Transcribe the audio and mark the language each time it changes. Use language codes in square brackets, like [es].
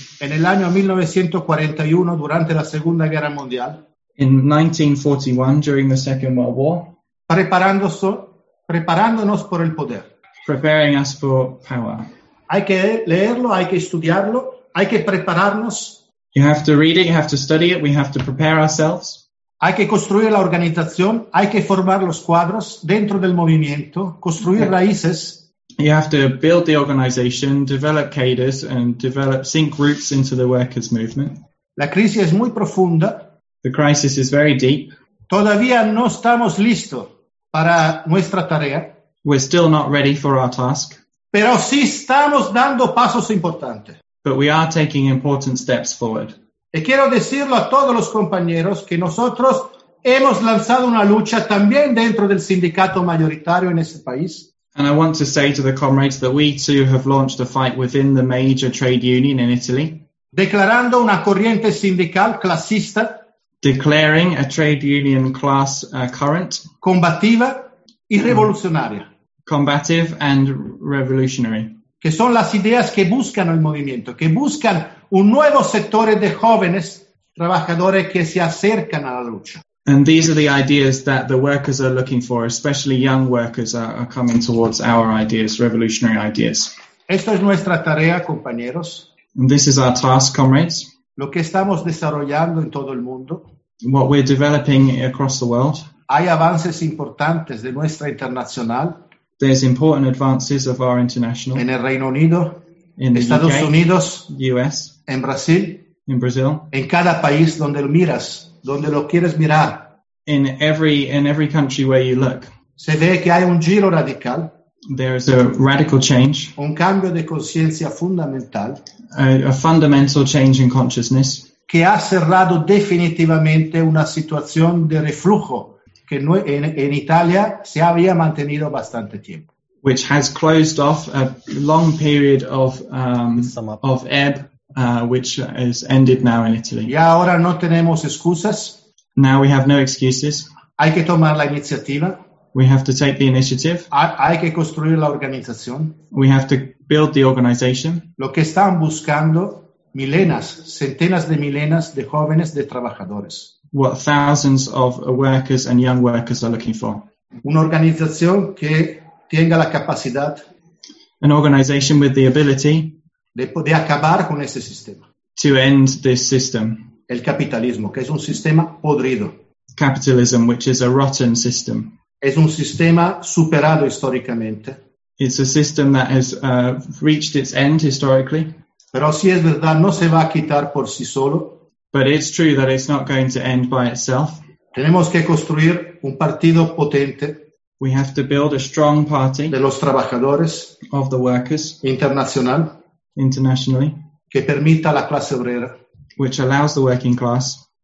[es] En el año 1941, durante la Segunda Guerra Mundial. [en] In 1941, during the Second World War. [es] Preparándonos por el poder. [en] Preparing us for power. [es] Hay que leerlo, hay que estudiarlo, hay que prepararnos. [en] You have to read it, you have to study it, we have to prepare ourselves. [es] Hay que construir la organización, hay que formar los cuadros dentro del movimiento, construir raíces. [en] You have to build the organization, develop cadres, and develop sink roots into the workers' movement. [es] La crisis es muy profunda. [en] The crisis is very deep. [es] Todavía no estamos listos para nuestra tarea. [en] We're still not ready for our task. [es] Pero sí estamos dando pasos importantes. [en] But we are taking important steps forward. [es] Y quiero decirlo a todos los compañeros que nosotros hemos lanzado una lucha también dentro del sindicato mayoritario en ese país. [en] And I want to say to the comrades that we too have launched a fight within the major trade union in Italy. [es] Declarando una corriente sindical clasista. [en] Declaring a trade union class current. [es] Combativa y revolucionaria. [en] Combative and revolutionary. [es] Que son las ideas que buscan el movimiento, que buscan un nuevo sector de jóvenes trabajadores que se acercan a la lucha. [en] And these are the ideas that the workers are looking for, especially young workers are coming towards our ideas, revolutionary ideas. [es] Esto es nuestra tarea, compañeros. [en] And this is our task, comrades. [es] Lo que estamos desarrollando en todo el mundo. [en] What we're developing across the world. [es] Hay avances importantes de nuestra internacional. [en] There's important advances of our international. [es] En el Reino Unido. [en] In the [es] Estados [en] UK, [es] Unidos, [en] US, [es] en Brasil, [en] in Brazil, [es] en cada país donde lo miras, donde lo quieres mirar, [en] in every country where you look, [es] se ve que hay un giro radical, [en] there is a radical change, [es] un cambio de conciencia fundamental, [en] a fundamental change in consciousness, [es] que ha cerrado definitivamente una situación de reflujo que en Italia se había mantenido bastante tiempo. [en] Which has closed off a long period of ebb, which has ended now in Italy. [es] Y ahora no tenemos excusas. [en] Now we have no excuses. [es] Hay que tomar la iniciativa. [en] We have to take the initiative. [es] Hay que construir la organización. [en] We have to build the organization. [es] Lo que están buscando milenas, centenas de milenas de jóvenes de trabajadores. [en] What thousands of workers and young workers are looking for. [es] Una organización que tenga la capacidad, [en] an organization with the ability, [es] de acabar con ese sistema, [en] to end this system, [es] el capitalismo, que es un sistema podrido, [en] capitalism, which is a rotten system. [es] Es un sistema superado históricamente. [en] It's a system that has reached its end historically. [es] Pero si es verdad, no se va a quitar por sí solo. [en] But it's true that it's not going to end by itself. [es] Tenemos que construir un partido potente. [en] We have to build a strong party [es] de los trabajadores, [en] of the workers, [es] internacional, [en] internationally, [es] que permita la clase obrera, [en] which allows the working class